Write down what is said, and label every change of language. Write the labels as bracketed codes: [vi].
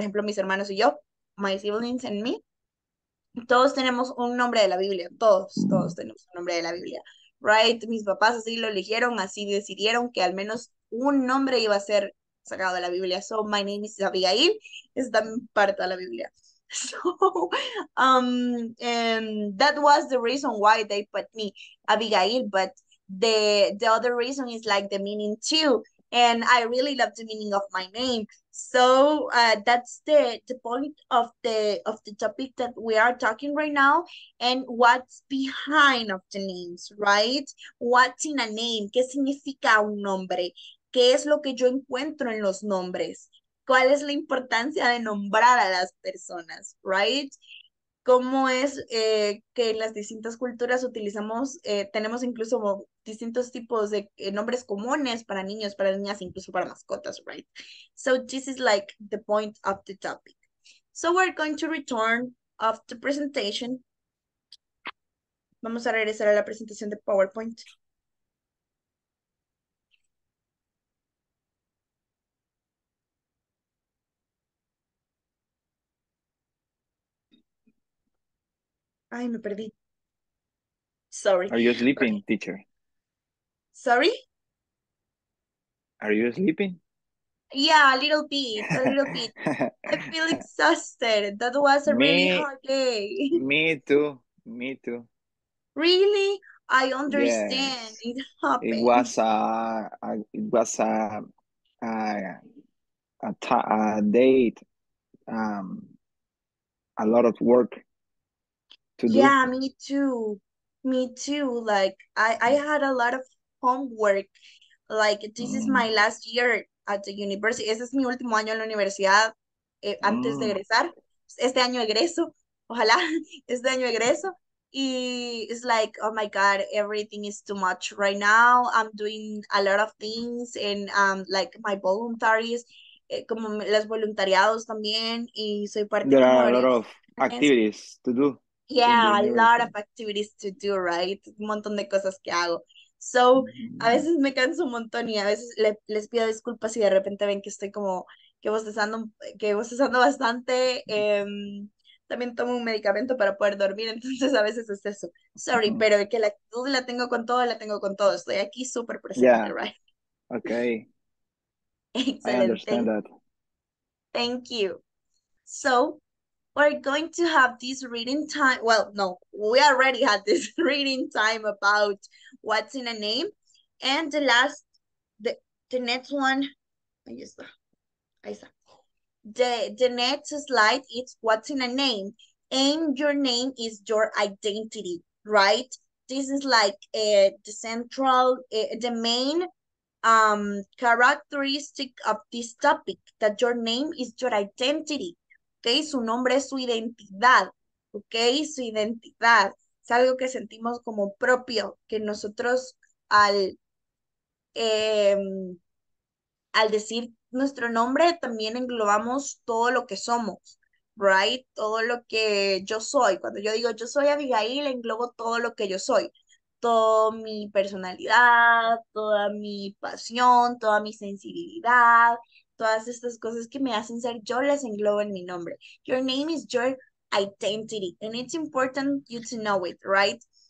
[es] Por ejemplo, mis hermanos y yo, [en] my siblings and me, [es] todos tenemos un nombre de la Biblia, todos tenemos un nombre de la Biblia, right? Mis papás así lo eligieron, así decidieron que al menos un nombre iba a ser sacado de la Biblia. [en] So, my name is [es] Abigail, es también parte de la Biblia. [en] So, and that was the reason why they put me Abigail, but the other reason is like the meaning too, and I really love the meaning of my name. So, that's the point of the topic that we are talking right now, and what's behind of the names, right? What's in a name? [es] ¿Qué significa un nombre? ¿Qué es lo que yo encuentro en los nombres? ¿Cuál es la importancia de nombrar a las personas, right? ¿Cómo es que en las distintas culturas utilizamos, tenemos incluso distintos tipos de nombres comunes para niños, para niñas, incluso para mascotas, right? [en] So this is like the point of the topic. So we're going to return of the presentation. [es] Vamos a regresar a la presentación de PowerPoint. Ay, me perdí. Sorry. [en] Are you sleeping, okay, teacher? Sorry? Are you sleeping? Yeah, a little bit, a little bit. I feel exhausted. That was a really hard day. Me too. Really? I understand. Yes. It happened. It was a date. A lot of work. Yeah, me too. Like, I had a lot of homework. Like, this is my last year at the university. [es] Ese es mi último año en la universidad antes de egresar. Este año egreso, ojalá. Este año egreso. Y [en] it's like, oh my God, everything is too much right now. I'm doing a lot of things and like my voluntaries, [es] como los voluntariados también. Y soy parte de... [en] There are a lot of activities to do. Yeah, a lot of activities to do, right? [es] Un montón de cosas que hago. So, a veces me canso un montón y a veces les pido disculpas si de repente ven que estoy como que bostezando bastante. También tomo un medicamento para poder dormir, entonces a veces es eso. Sorry, pero que la actitud la tengo con todo. Estoy aquí súper presente, yeah. Right? [en] Okay. [es] Excelente. [en] I understand that. Thank you. So, we're going to have this reading time. Well, no, we already had this reading time about what's in a name. And the next slide is what's in a name. And your name is your identity, right? This is like the main characteristic of this topic, that your name is your identity, okay? [es] Su nombre es su identidad, okay? Su identidad es algo que sentimos como propio, que nosotros al decir nuestro nombre también englobamos todo lo que somos, right? Todo lo que yo soy. Cuando yo digo yo soy Abigail, englobo todo lo que yo soy. Toda mi personalidad, toda mi pasión, toda mi sensibilidad, todas estas cosas que me hacen ser, yo las englobo en mi nombre. [en] Your name is your identity, and it's important you to know it, right?